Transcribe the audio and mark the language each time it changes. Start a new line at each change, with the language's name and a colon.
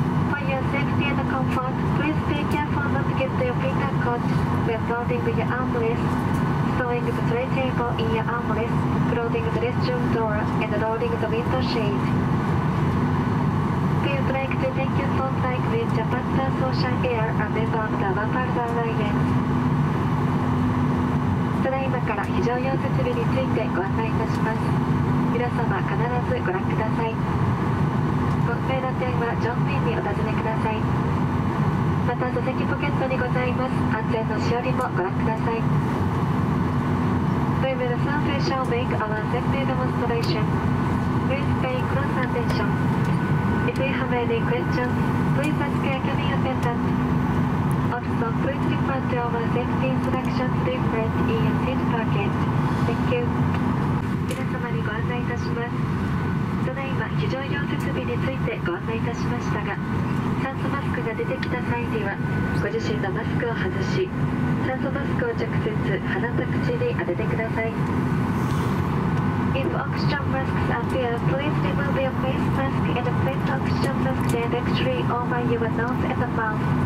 English: For your safety and comfort, please be careful not to get your finger caught when folding your armrest, storing the tray table in your armrest, closing the restroom door, and rolling the window shade. We would like to thank you for flying with Japan Transocean Air, a member of the One World Alliance.
Japanese: 今から非常用設備についてご案内いたします。皆様必ずご覧ください。ご不明な点は乗務員にお尋ねください。また座席ポケットにございます安全のしおりもご覧ください。
English: We will soon shall make our safety demonstration. Please pay close attention. If you have any questions, please ask your cabin attendantSo please refer to our safety instructions leaflet in your seat pocket. Thank you.
Japanese: 皆様にご案内いたします。ただいま非常用設備についてご案内いたしましたが、酸素マスクが出てきた際には、ご自身のマスクを外し、酸素マスクを直接鼻と口に当ててください。
English: If oxygen masks appear, please remove your face mask and place oxygen mask directly over your nose and mouth.